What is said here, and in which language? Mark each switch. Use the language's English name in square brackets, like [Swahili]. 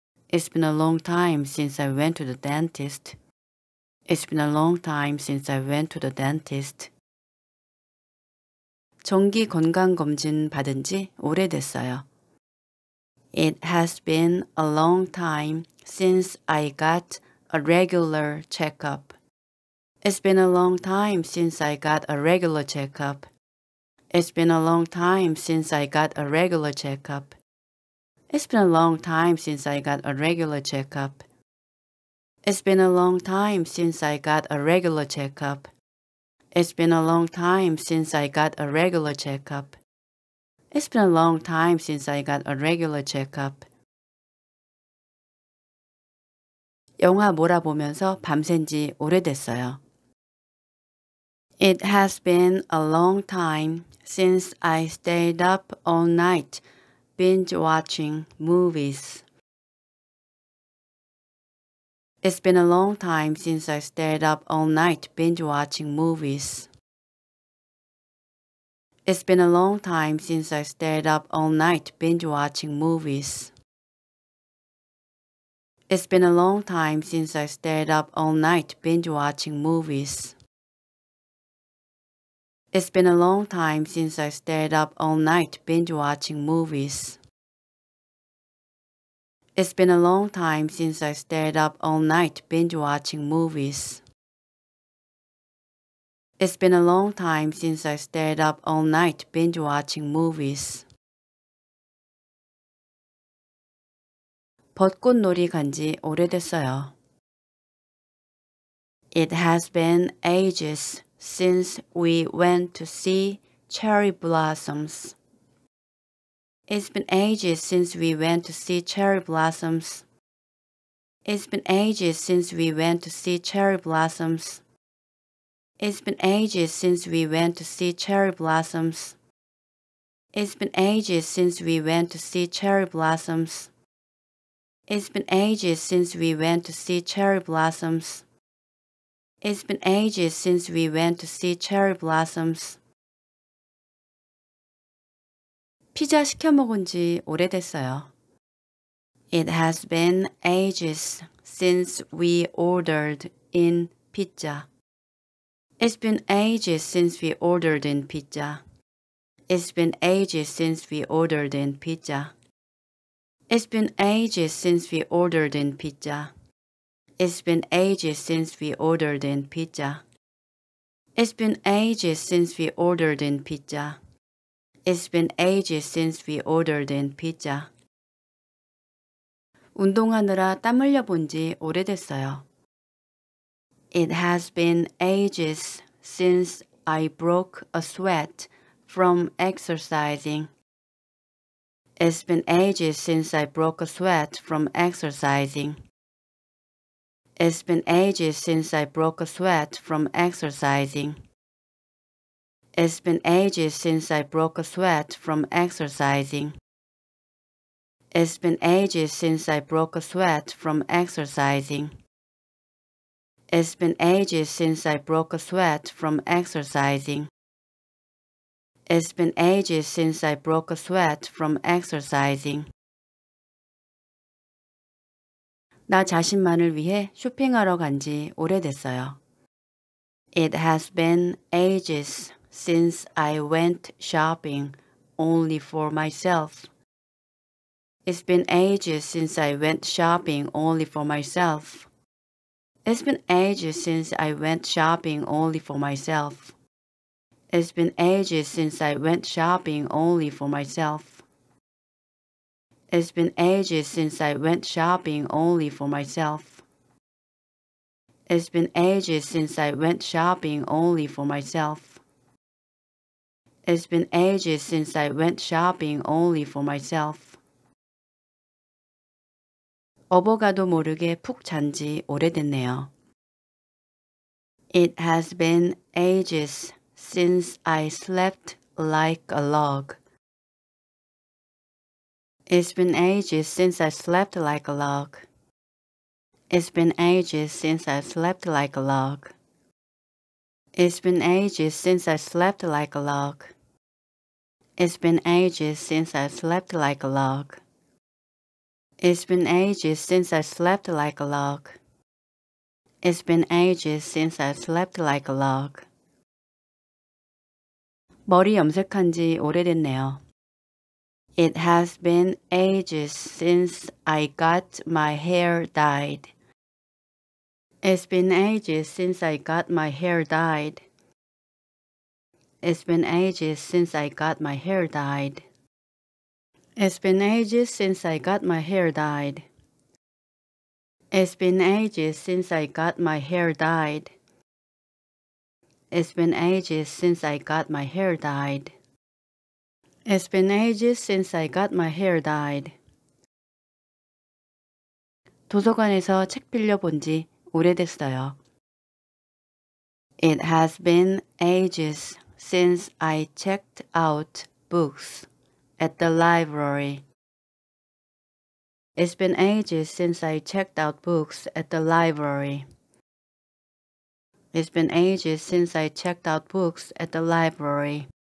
[English] It's been a long time since I went to the dentist. It's been a long time since I went to the dentist. [Korean] 정기 건강검진 받은 지 오래됐어요. [English] It has been a long time since I got a regular checkup. It's been a long time since I got a regular checkup. It's been a long time since I got a regular checkup. It's been a long time since I got a regular checkup. It's been a long time since I got a regular checkup. It's been a long time since I got a regular checkup. It's been a long time since I got a regular checkup. [Korean] 영화 몰아보면서 밤샌 지 오래됐어요. [English] It has been a long time since I stayed up all night binge-watching movies. It's been a long time since I stayed up all night binge-watching movies. It's been a long time since I stayed up all night binge-watching movies. It's been a long time since I stayed up all night binge-watching movies. It's been a long time since I stayed up all night binge-watching movies. It's been a long time since I stayed up all night binge-watching movies. It's been a long time since I stayed up all night binge-watching movies. [Korean] 벚꽃놀이 간 지 오래됐어요. [English] It has been ages since we went to see cherry blossoms. It's been ages since we went to see cherry blossoms. It's been ages since we went to see cherry blossoms. It's been ages since we went to see cherry blossoms. It's been ages since we went to see cherry blossoms. It's been ages since we went to see cherry blossoms. It's been ages since we went to see cherry blossoms. [Korean] 피자 시켜 먹은 지 오래됐어요. [English] It has been ages since we ordered in pizza. It's been ages since we ordered in pizza. It's been ages since we ordered in pizza. It's been ages since we ordered in pizza. It's been ages since we ordered in pizza. It's been ages since we ordered in pizza. It's been ages since we ordered in pizza. [Korean] 운동하느라 땀 흘려 본 지 오래됐어요. [English] It has been ages since I broke a sweat from exercising. It's been ages since I broke a sweat from exercising. It's been ages since I broke a sweat from exercising. It's been ages since I broke a sweat from exercising. It's been ages since I broke a sweat from exercising. It's been ages since I broke a sweat from exercising. It's been ages since I broke a sweat from exercising. [Korean] 나 자신만을 위해 쇼핑하러 간 지 오래됐어요. [English] It has been ages since I went shopping only for myself. It's been ages since I went shopping only for myself. It's been ages since I went shopping only for myself. It's been ages since I went shopping only for myself. It's been ages since I went shopping only for myself. It's been ages since I went shopping only for myself. It's been ages since I went shopping only for myself. [Korean] 어버가도 모르게 푹 잔 지 오래됐네요. [English] It has been ages since I slept like a log. It's been ages since I slept like a log. It's been ages since I slept like a log. It's been ages since I slept like a log. It's been ages since I slept like a log. It's been ages since I slept like a log. It's been ages since I slept like a log. [Korean] 머리 염색한 지 오래됐네요. [English] It has been ages since I got my hair dyed. It's been ages since I got my hair dyed. It's been ages since I got my hair dyed. It's been ages since I got my hair dyed. It's been ages since I got my hair dyed. It's been ages since I got my hair dyed. It's been ages since I got my hair dyed. [Korean] 도서관에서 책 빌려본 지 오래됐어요. [English] It has been ages since I checked out books at the library. It's been ages since I checked out books at the library. It's been ages since I checked out books at the library.